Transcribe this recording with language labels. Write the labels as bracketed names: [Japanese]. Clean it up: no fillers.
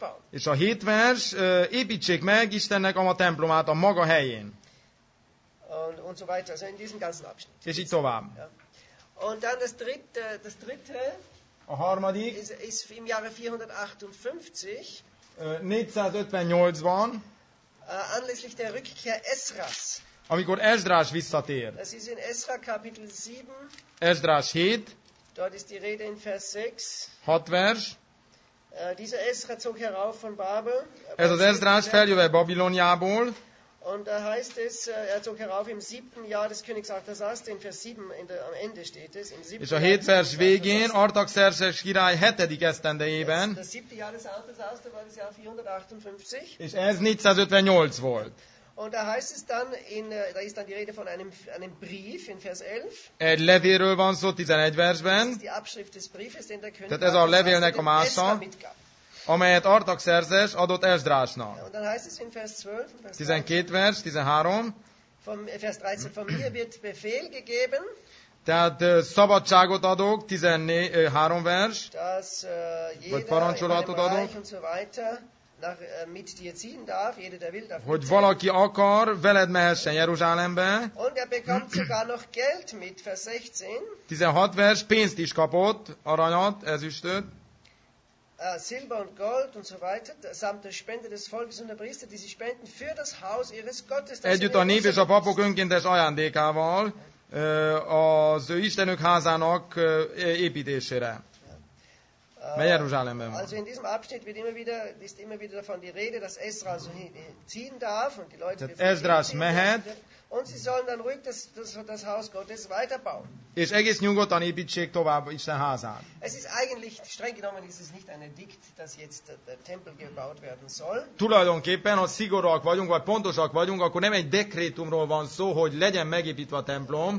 [Hungarian] És a hét vers, építsék meg Istennek ama templomát a maga helyén. [German] Und so weiter, also in diesem ganzen Abschnitt. [Hungarian] És így tovább. [German] Ja. Und dann das dritte [Hungarian] a harmadik [German] ist im Jahre 458 [Hungarian] 458-ban [German] anlässlich der Rückkehr Esras. [Hungarian] Amikor Esdrás visszatér. [German] Das ist in Esra Kapitel 7. [Hungarian] Esdrás 7. [German] Dort ist die Rede in Vers 6. [Hungarian] 6 vers. [German] Dieser Esra zog herauf von Babel. [Hungarian] Ez az Esdrás feljöve Babiloniából. [German] Und da heißt es, er zog herauf im siebten Jahr des Königs Artaxerxes, in Vers 7, in der, am Ende steht es. Im siebten Jahr. [Hungarian] És a hét vers végén, Artaxerxes király hetedik esztendejében. [German] Das siebte Jahr des Artaxerxes war das Jahr 458. [Hungarian] És ez 458 volt. [German] Und da heißt es dann, in, da ist dann die Rede von einem Brief in Vers 11. [Hungarian] Egy levélről van szó 11 versben. [German] Das ist die Abschrift des Briefes, den der König. [Hungarian] Tehát ez a levélnek a mása, amelyet Artaxerxes adott Esdrásnak. [German] Und dann heißt es in Vers 12, [Hungarian] Vers 12 vers, 13. [German] Vers 13, von mir wird Befehl gegeben. [Hungarian] Tehát szabadságot adok, 13 vers. Dass vagy parancsolatot adok. [German] Und so weiter. Mit dir ziehen darf, jede der will, darf [Hungarian] hogy mit valaki ziehen. Akar, veled mehessen Jeruzsálembe. [German] Und er bekommt sogar noch Geld mit, Vers 16. [Hungarian] 16 vers, pénzt is kapott, aranyat, ezüstöt. [German] Silber und Gold und so weiter, samt der Spende des Volkes und der Priester, die sie spenden für das Haus ihres Gottes. [Hungarian] Együtt a nép és a papok önkéntes ajándékával az ő Istenük házának építésére. [German] Also in diesem Abschnitt wird immer wieder ist immer wieder davon die Rede, dass Esra so ziehen darf und die Leute [Hungarian] befehlen. Esdrás mehet. [German] Und sie sollen dann ruhig das Haus Gottes weiterbauen. [Hungarian] És egész nyugodtan építsék tovább Isten házát. [German] Es ist eigentlich streng genommen ist es nicht ein Edikt, dass jetzt der Tempel gebaut werden soll. [Hungarian] Tulajdonképpen, ha szigorúak vagyunk vagy pontosak vagyunk, akkor nem egy dekrétumról van szó, hogy legyen megépítve a templom.